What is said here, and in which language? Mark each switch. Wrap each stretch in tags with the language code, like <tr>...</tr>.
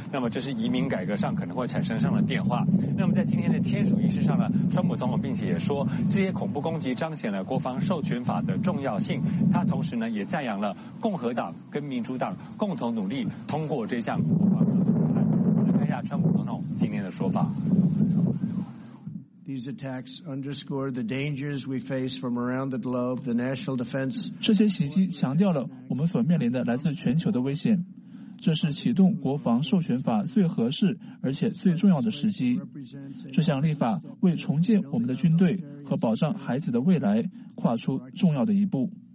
<zh>那么这是移民改革上可能会产生上的变化。那么在今天的签署仪式上呢，川普总统并且也说，这些恐怖攻击彰显了国防授权法的重要性。他同时呢也赞扬了共和党跟民主党共同努力通过这项国防授权法案。我们看一下川普总统今天的说法。</zh> <en>These attacks underscore the dangers we face from around the globe. The national defense.</en> <zh>这些袭击强调了我们所面临的来自全球的危险。这是启动国防授权法最合适而且最重要的时机。这项立法为重建我们的军队和保障孩子的未来跨出重要的一步。</zh>